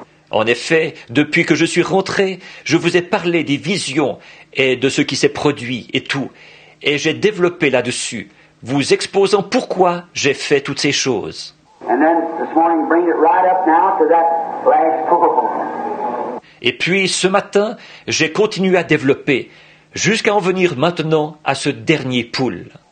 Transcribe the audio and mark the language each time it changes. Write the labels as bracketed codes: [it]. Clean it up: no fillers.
[fr] En effet, depuis que je suis rentré, je vous ai parlé des visions et de ce qui s'est produit et tout. Et j'ai développé là-dessus, vous exposant pourquoi j'ai fait toutes ces choses. [en] And then this morning, bring it right up now to that last pool. [fr] Et puis, ce matin, j'ai continué à développer, jusqu'à en venir maintenant à ce dernier pool.